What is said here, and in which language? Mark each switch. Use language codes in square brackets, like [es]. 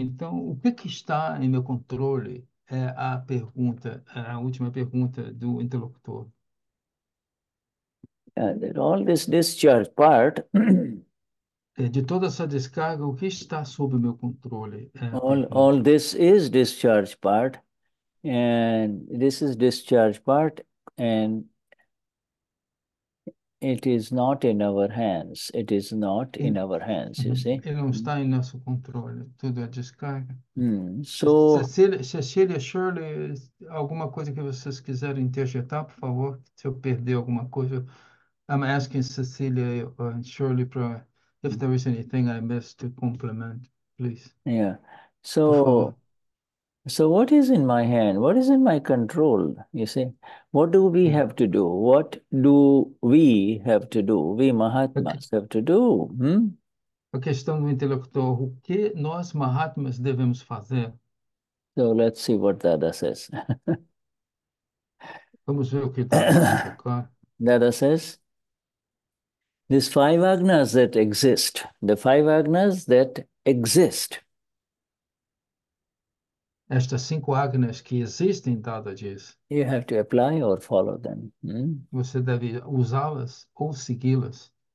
[pt] Então, o que está em meu controle? É a pergunta, a última pergunta do interlocutor. [en] All this discharge part. [pt] É, de toda essa descarga, o que está sob meu controle? É a [en] All [pt] pergunta. [en] this is discharge part, and this is discharge part, and it is not in our hands. It is not in our hands, you see. [pt] Ele não está em nosso controle, tudo é descarga. [en] So [pt] Cecília, Shirley, alguma coisa que vocês quiserem interjetar, por favor, se eu perder alguma coisa. [en] I'm asking Cecília and Shirley pra, if there is anything I missed to complement, please. yeah. [pt] Por favor. [en] So what is in my hand? What is in my control? You see, what do we have to do? What do we have to do? We Mahatmas have to do. [pt] A questão do interlocutor, o que nós, Mahatmas, devemos fazer? [en] So let's see what Dada says. [pt] Vamos ver o que Dada diz, é claro. [en] Dada says, these five Agnas that exist, the five Agnas that exist. [pt] Estas cinco Agnas que existem, Dada diz, [en] You have to apply or follow them. [pt] você deve usá-las ou segui-las.